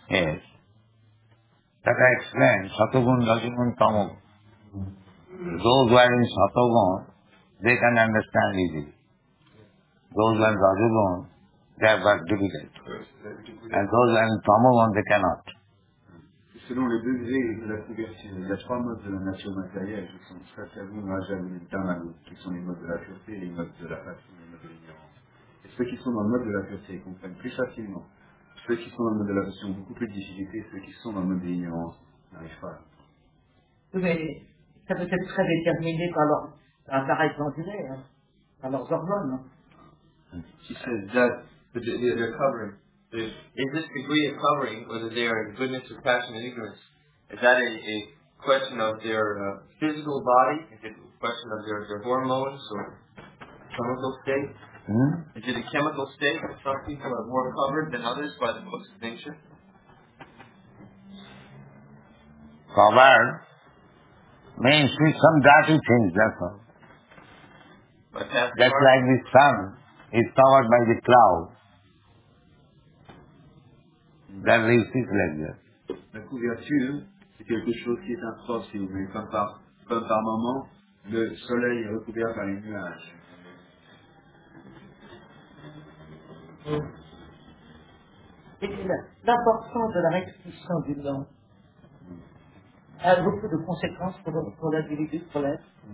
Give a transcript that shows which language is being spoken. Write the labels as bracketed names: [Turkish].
[English] Yes. That I explained, Satogun, Rajogun, Tamog. Those who are in Satogun, they can understand easily. Those who are in Rajogun, they are very difficult. And those who are in Tamogun, they cannot. [French] Selon les degrés de la puberté, la trois modes de la nature matérielle, qui sont Satogun, Rajogun, Tamogun, qui sont les modes de la pureté, les modes de la passion, les modes de l'ignorance. Et ceux qui sont dans le mode de la pureté comprennent plus facilement. Ceux qui sont dans le mode de la passion ont beaucoup plus de difficultés, ceux qui sont dans le mode de l'ignorance n'arrivent pas. Oui, mais ça peut être très déterminé par leur appareil glandulaire, hein, par leurs hormones. [English] She says that the covering, is this degree of covering, whether they are in goodness or passion and ignorance, is that a question of their physical body? Is it a question of their hormones or chemical state? Mm-hmm. Is it a chemical state that some people are more covered than others by the books of nature? Covered means with some dirty things, that's all. But that's like the sun is covered by the cloud. That leaves it like that. [French] La couverture, c'est quelque chose qui est impropre, si vous voulez, comme par moment, le soleil est recouvert par les nuages. Et l'importance de la restitution du nom a beaucoup de conséquences pour l'individu, pour l'être.